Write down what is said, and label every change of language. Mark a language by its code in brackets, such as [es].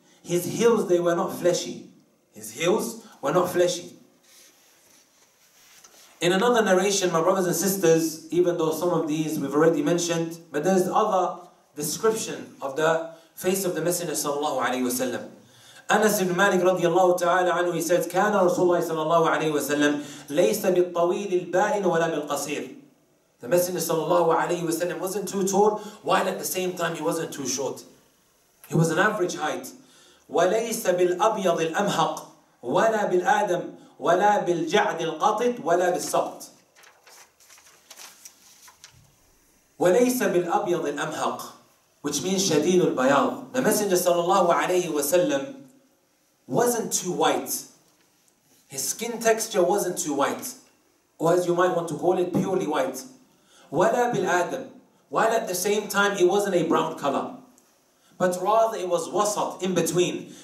[en] His heels, they were not fleshy. His heels were not fleshy. In another narration, my brothers and sisters, even though some of these we've already mentioned, but there's other description of the face of the Messenger sallallahu alayhi wa sallam. Anas ibn Malik radiallahu ta'ala anhu, he said, [ar] كان رسول الله صلى الله عليه وسلم ليس بالطويل البائن ولا بالقصير. [en] The Messenger صلى الله عليه وسلم wasn't too tall, while at the same time he wasn't too short. He was an average height. [ar] وليس بالأبيض الأمهق ولا بالآدم ولا بالجعد القطط ولا بالسبط. وليس بالأبيض الأمهق, [en] which means [ar] شديد البياض. [en] The Messenger صلى الله عليه وسلم wasn't too white. His skin texture wasn't too white, or as you might want to call it, purely white. [ar] وَلَا بِالْآدَمِ, [en] while at the same time it wasn't a brown color, but rather it was wasat, in between.